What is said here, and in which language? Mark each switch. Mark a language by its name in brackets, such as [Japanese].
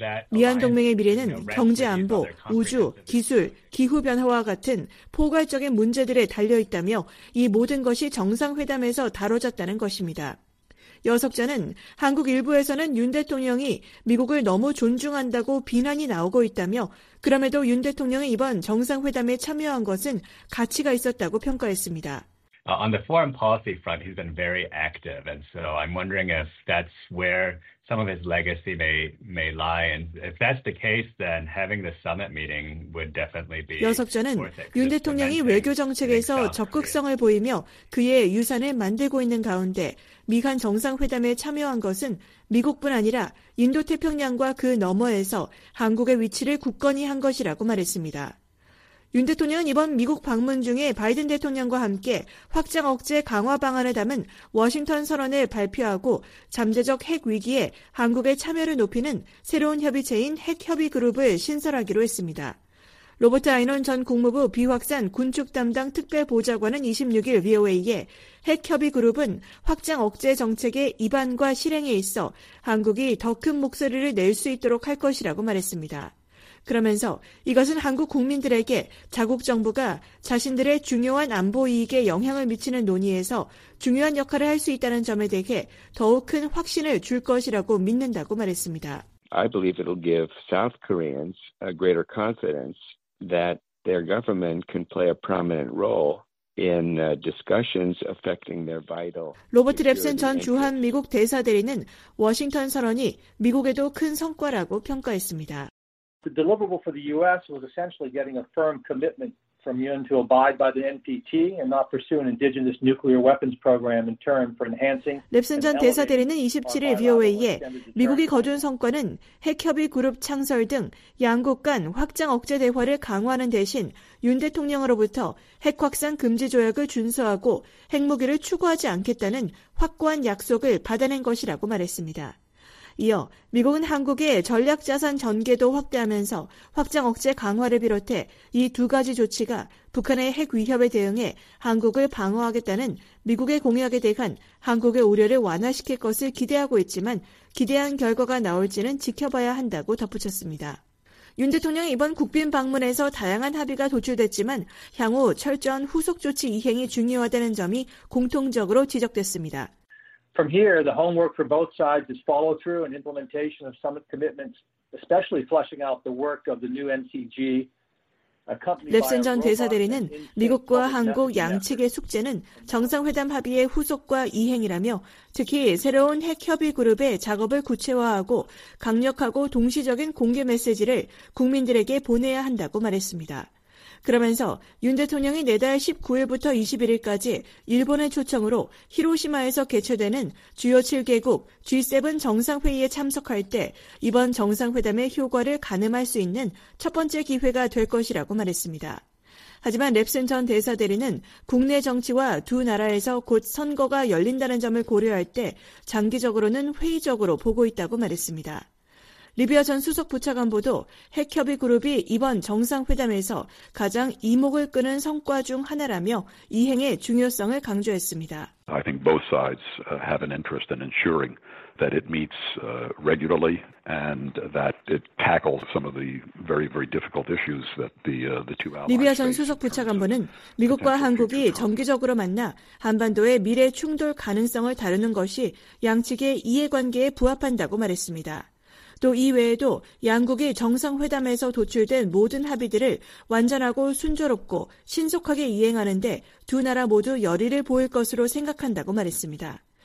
[Korean] 미한 동맹의 미래는 경제 안보, 우주, 기술, 기후 변화와 같은 포괄적인 문제들에 달려 있다며 이 모든 것이 정상회담에서 다뤄졌다는 것입니다. 여석자는 한국 일부에서는 윤 대통령이 미국을 너무 존중한다고 비난이 나오고 있다며 그럼에도 윤 대통령이 이번 정상회담에 참여한 것은 가치가 있었다고 평가했습니다. [English] On the foreign policy front, he's been very active, and so I'm wondering if that's where some of his legacy may lie. And if that's the case, then having the summit meeting would definitely be. [Korean] 여석자는 윤 대통령이 외교 정책에서 적극성을 보이며 그의 유산을 만들고 있는 가운데 미한 정상회담에 참여한 것은 미국뿐 아니라 인도 태평양과 그 너머에서 한국의 위치를 굳건히 한 것이라고 말했습니다. 윤 대통령은 이번 미국 방문 중에 바이든 대통령과 함께 확장 억제 강화 방안을 담은 워싱턴 선언을 발표하고 잠재적 핵 위기에 한국의 참여를 높이는 새로운 협의체인 핵협의 그룹을 신설하기로 했습니다. 로버트 아이논 전 국무부 비확산 군축 담당 특별보좌관은 26일 VOA에 핵협의 그룹은 확장 억제 정책의 입안과 실행에 있어 한국이 더 큰 목소리를 낼 수 있도록 할 것이라고 말했습니다. 그러면서 이것은 한국 국민들에게 자국 정부가 자신들의 중요한 안보 이익에 영향을 미치는 논의에서 중요한 역할을 할 수 있다는 점에 대해 더욱 큰 확신을 줄 것이라고 믿는다고 말했습니다. [English] I believe it'll give South Koreans a greater confidence that their government can play a prominent role. In discussions affecting their vital. [Korean] 로버트 랩슨 전 주한 미국 대사대리는 워싱턴 선언이 미국에도 큰 성과라고 평가했습니다. [English] The deliverable for the U.S. was essentially getting a firm commitment from Yoon to abide by the NPT and not pursue an indigenous nuclear weapons program in turn for enhancing. [Korean] 랩슨 전 대사대리는 27일 VOA에 미국이 거둔 성과는 핵협의 그룹 창설 등 양국 간 확장 억제 대화를 강화하는 대신 윤 대통령으로부터 핵 확산 금지 조약을 준수하고 핵무기를 추구하지 않겠다는 확고한 약속을 받아낸 것이라고 말했습니다. 이어 미국은 한국의 전략자산 전개도 확대하면서 확장 억제 강화를 비롯해 이 두 가지 조치가 북한의 핵 위협에 대응해 한국을 방어하겠다는 미국의 공약에 대한 한국의 우려를 완화시킬 것을 기대하고 있지만 기대한 결과가 나올지는 지켜봐야 한다고 덧붙였습니다. 윤 대통령 이번 국빈 방문에서 다양한 합의가 도출됐지만 향후 철저한 후속 조치 이행이 중요하다는 점이 공통적으로 지적됐습니다. [English] From here, the homework for both sides is follow-through and implementation of summit commitments, especially fleshing out the work of the new NCG. [Korean] 랩슨 전 대사대리는 미국과 한국 양측의 숙제는 정상회담 합의의 후속과 이행이라며 특히 새로운 핵협의 그룹의 작업을 구체화하고 강력하고 동시적인 공개 메시지를 국민들에게 보내야 한다고 말했습니다. 그러면서 윤 대통령이 내달 19일부터 21일까지 일본의 초청으로 히로시마에서 개최되는 주요 7개국 G7 정상회의에 참석할 때 이번 정상회담의 효과를 가늠할 수 있는 첫 번째 기회가 될 것이라고 말했습니다. 하지만 랩슨 전 대사대리는 국내 정치와 두 나라에서 곧 선거가 열린다는 점을 고려할 때 장기적으로는 회의적으로 보고 있다고 말했습니다. 리비아 전 수석 부차관보도 핵협의 그룹이 이번 정상회담에서 가장 이목을 끄는 성과 중 하나라며 이행의 중요성을 강조했습니다. [English] I think both sides have an interest in ensuring that it meets regularly and that it tackles some of the very very difficult issues that the two allies. [Korean] 리비아 전 수석 부차관보는 미국과 한국이 정기적으로 만나 한반도의 미래 충돌 가능성을 다루는 것이 양측의 이해관계에 부합한다고 말했습니다. 또 이외에도 양국이 정상회담에서 도출된 모든 합의들을 완전하고 순조롭고 신속하게 이행하는 데 두 나라 모두 열의를 보일 것으로 생각한다고 말했습니다.